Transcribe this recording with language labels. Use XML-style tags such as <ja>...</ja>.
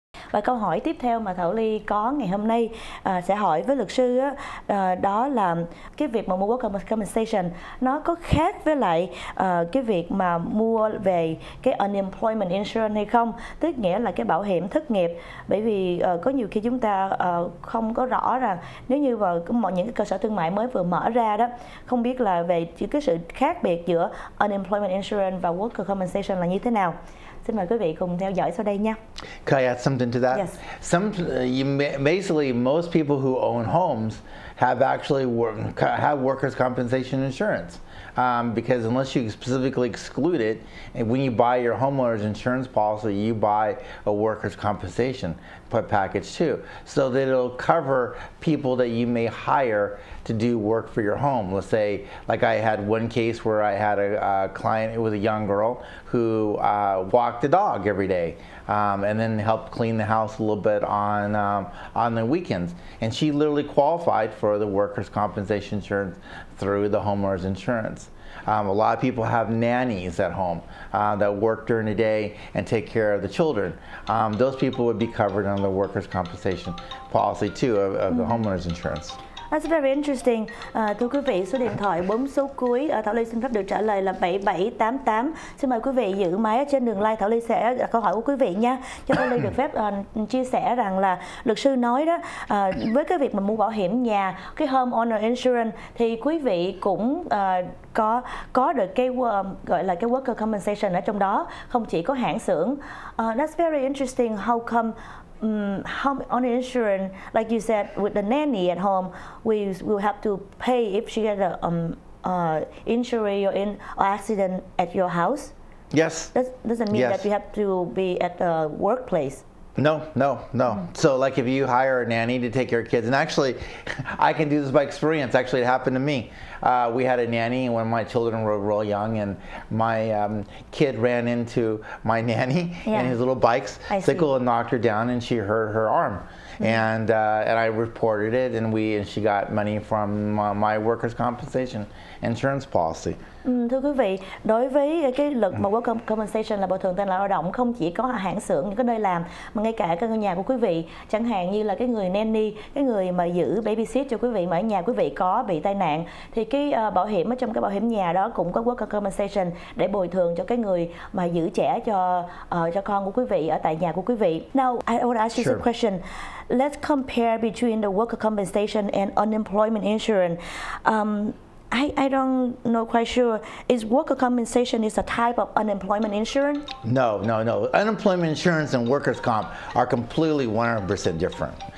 <vi>Và câu hỏi tiếp theo mà Thảo Ly có ngày hôm nay sẽ hỏi với luật sư đó là cái việc mà mua worker compensation nó có khác với lại cái việc mà mua về cái unemployment insurance hay không, tức nghĩa là cái bảo hiểm thất nghiệp, bởi vì có nhiều khi chúng ta không có rõ rằng nếu như vào những cái cơ sở thương mại mới vừa mở ra đó, không biết là về cái sự khác biệt giữa unemployment insurance và worker compensation là như thế nào. Xin mời quý vị cùng theo dõi sau đây nha.</vi> <en>Can I add something to that? Yes. Basically, most people who own homes have actually have workers' compensation insurance. Because unless you specifically exclude it, and when you buy your homeowner's insurance policy, you buy a workers' compensation package too. So that it'll cover people that you may hire to do work for your home. Let's say, like I had one case where I had a client, it was a young girl, who walked a dog every day. And then help clean the house a little bit on the weekends. And she literally qualified for the workers' compensation insurance through the homeowner's insurance. A lot of people have nannies at home that work during the day and take care of the children. Those people would be covered under the workers' compensation policy too of the homeowner's insurance. That's very interesting.</en> <vi>Thưa quý vị, số điện thoại 4 số cuối Thảo Ly xin phép được trả lời là 7788. Xin mời quý vị giữ máy trên đường line, Thảo Ly sẽ đặt câu hỏi của quý vị nha. Cho Thảo Ly được phép chia sẻ rằng là luật sư nói đó, với cái việc mà mua bảo hiểm nhà, cái homeowner insurance, thì quý vị cũng có được cái gọi là cái worker compensation ở trong đó, không chỉ có hãng xưởng.</vi> <en>That's very interesting. How come home on insurance, like you said, with the nanny at home, we will have to pay if she had a injury or in or accident at your house? Yes. That doesn't mean that you have to be at the workplace. No. So like if you hire a nanny to take care of kids, and actually I can do this by experience. Actually, it happened to me. We had a nanny when my children were real young, and my kid ran into my nanny and his little bike's sickle and knocked her down, and she hurt her arm. And I reported it, and she got money from my workers' compensation insurance policy.</en> <vi>Thưa quý vị, đối với cái luật mà work compensation là bồi thường tai nạn lao động, không chỉ có hãng xưởng, những cái nơi làm, mà ngay cả cái nhà của quý vị, chẳng hạn như là cái người nanny, cái người mà giữ babysit cho quý vị mà ở nhà quý vị có bị tai nạn, thì cái bảo hiểm ở trong cái bảo hiểm nhà đó cũng có work compensation để bồi thường cho cái người mà giữ trẻ cho con của quý vị ở tại nhà của quý vị.</vi> <en>Now, I would ask you some question. Let's compare between the worker compensation and unemployment insurance. I don't know quite sure. Is worker compensation is a type of unemployment insurance? No. Unemployment insurance and workers' comp are completely 100% different.</en>